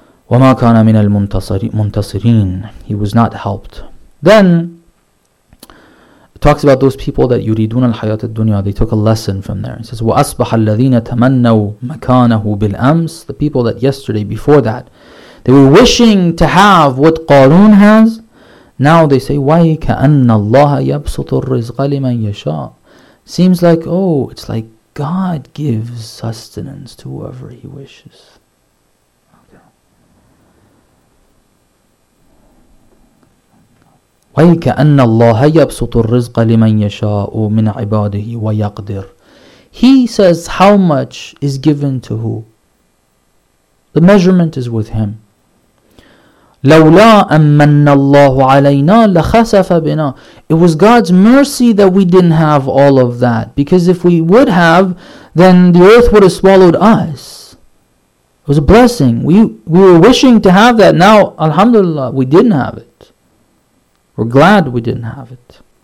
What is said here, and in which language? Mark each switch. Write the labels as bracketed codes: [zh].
[ar] وَمَا كَانَ مِنَ الْمُنْتَصِرِينَ. [en] He was not helped. Then, it talks about those people that [ar] يُرِيدُونَ الْحَيَاةَ الدُّنْيَا. [en] They took a lesson from there. It says, [ar] وَأَصْبَحَ الَّذِينَ تَمَنَّوا مَكَانَهُ بِالْأَمْسِ. [en] The people that yesterday, before that, they were wishing to have what Qarun has. Now they say, [ar] وَيْكَأَنَّ اللَّهَ يَبْسُطُ الرِّزْقَ لِمَنْ يَشَاءُ. [en] Seems like, oh, it's like God gives sustenance to whoever He wishes. [ar] وَيْكَأَنَّ اللَّهَ يَبْسُطُ الرِّزْقَ لِمَنْ يَشَاءُ مِنْ عِبَادِهِ وَيَقْدِرُ. [en] He says, how much is given to who? The measurement is with Him. [ar] لولا أمن الله علينا لخسف بنا. [en] It was God's mercy that we didn't have all of that, because if we would have, then the earth would have swallowed us. It was a blessing. We were wishing to have that. Now, alhamdulillah, we didn't have it. We're glad we didn't have it.